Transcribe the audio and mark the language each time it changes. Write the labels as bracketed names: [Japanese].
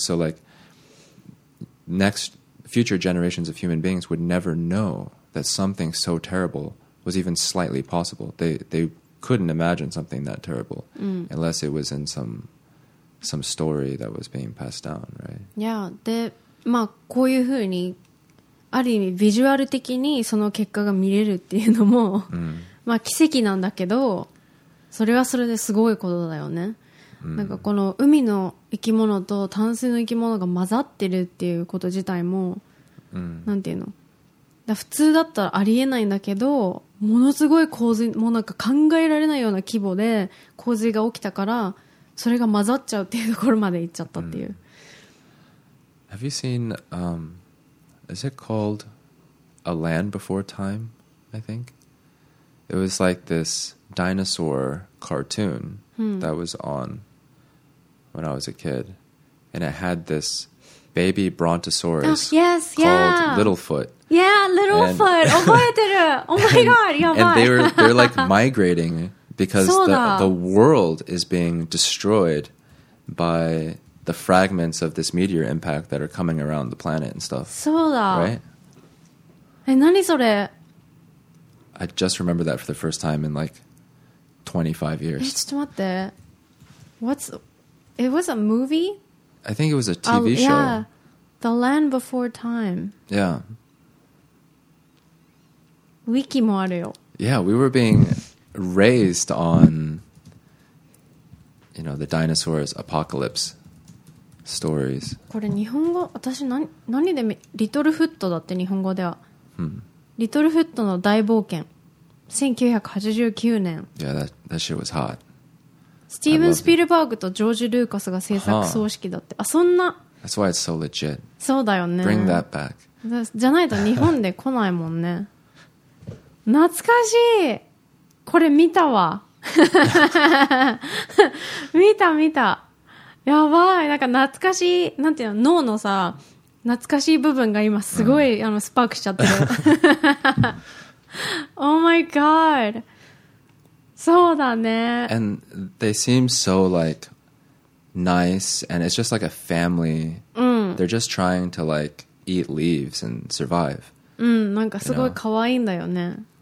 [English] So like next... future generations of human beings would never know that something so terrible was even slightly possible. They couldn't imagine something that terrible unless it was in some story that was being passed down, right? [Japanese] Yeah, で、まあこういうふうにある意味ビジュアル的にその結果が見れるっていうのも、まあ奇跡なんだけど、それはそれですごいことだよね。なんかこの海の生き物と淡水の生き物が混ざってるっていうこと自体も、なんていうの、だ普通だったらありえないんだけど、ものすごい洪水、もうなんか考えられないような規模で洪水が起きたから、それが混ざっちゃうっていうところまで行っちゃったっていう。 [English] Have you seen, is it called A Land Before Time, I think? It was like this dinosaur cartoon that was on when I was a kid. And it had this baby brontosaurus called Littlefoot. Yeah, Littlefoot! [Japanese] 覚えてる! [English] Oh my god, [Japanese] やばい! [English] And they're like migrating because the world is being destroyed by... the fragments of this meteor impact that are coming around the planet and stuff. [Japanese] そうだ。 [English] Right? [Japanese] え、何それ? [English] I just remember that for the first time in like 25 years. [Japanese] え、ちょっと待って。 [English] What's... It was a movie? I think it was a TV show. Yeah. The Land Before Time. Yeah. [Japanese] Wiki もあるよ。 [English] Yeah, we were being raised on, you know, the dinosaurs apocalypse. Stories. [Japanese] これ日本語、私 何でリトルフットだって日本語では、リトルフットの大冒険、1989年。 [English] Yeah, that shit was hot. [Japanese] スティーブン・スピルバーグとジョージ・ルーカスが制作葬式だって、huh. あ、そんな。 [English] That's why it's so legit. [Japanese] そうだよね。 [English] Bring that back. [Japanese] じゃないと日本で来ないもんね。懐かしい。これ見たわ。見た見た。やばい、なんか懐かしい、なんていうの、脳のさ、懐かしい部分が今すごい、あのスパークしちゃってる。 [English] Oh my god! [Japanese] そうだね。 [English] And they seem so like nice, and it's just like a family. They're just trying to like eat leaves and survive. [Japanese] なんかすごい可愛いんだよね。